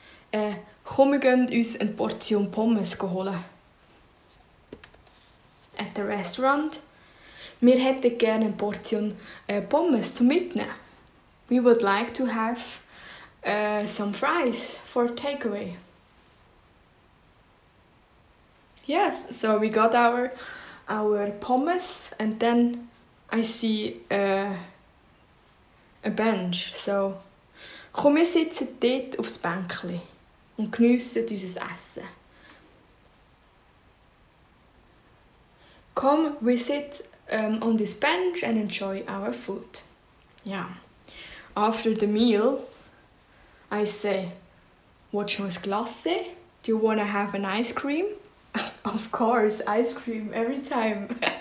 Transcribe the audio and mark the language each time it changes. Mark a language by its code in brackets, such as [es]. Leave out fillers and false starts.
[de] Komm, wir gehen uns eine Portion Pommes holen. [en] At the restaurant. [de] Wir hätten gerne eine Portion Pommes zum Mitnehmen. [en] We would like to have some fries for takeaway. Yes, so we got our pommes, and then I see a bench. [de] So, komm, wir sitzen dort aufs Bänkli und geniessen unser Essen. [en] Come, we sit on this bench and enjoy our food. Yeah. After the meal, I say, watch my glasse. Do you wanna have an ice cream? Of course, ice cream every time.